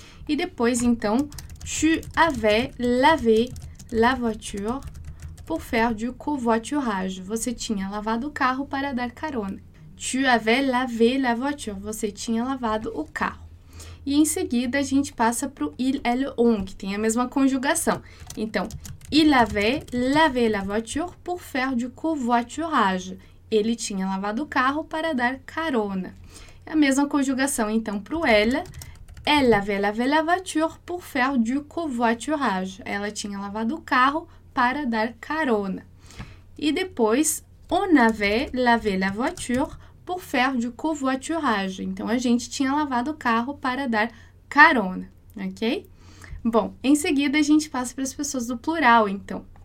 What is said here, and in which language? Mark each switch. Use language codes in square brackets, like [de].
[pt] E depois, então, [fr] tu avais lavé la voiture pour faire du covoiturage. [pt] Você tinha lavado o carro para dar carona. [fr] Tu avais lavé la voiture. [pt] Você tinha lavado o carro. E em seguida a gente passa para o il, elle, on, que tem a mesma conjugação. [fr] Então, il avait lavé la voiture pour faire du covoiturage. [pt] Ele tinha lavado o carro para dar carona. É a mesma conjugação, então, para o elle. [fr] Elle avait lavé la voiture pour faire du covoiturage. [pt] Ela tinha lavado o carro para dar carona. E depois, [fr] on avait lavé la voiture pour faire du covoiturage. [pt] Então, a gente tinha lavado o carro para dar carona, ok? Bom, em seguida, a gente passa para as pessoas do plural, então.